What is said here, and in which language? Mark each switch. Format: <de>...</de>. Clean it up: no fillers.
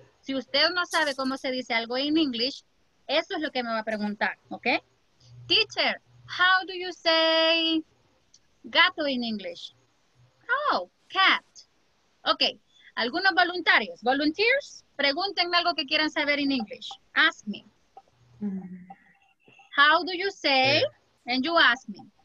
<es>Si usted no sabe cómo se dice algo en English, eso es lo que me va a preguntar, okay?</es> <en>Teacher, how do you say gato in English? Oh, cat. Okay.</en> <es>Algunos voluntarios, volunteers, pregúntenme algo que quieran saber in English.</es> <en>Ask me. How do you say, and you ask me.</en>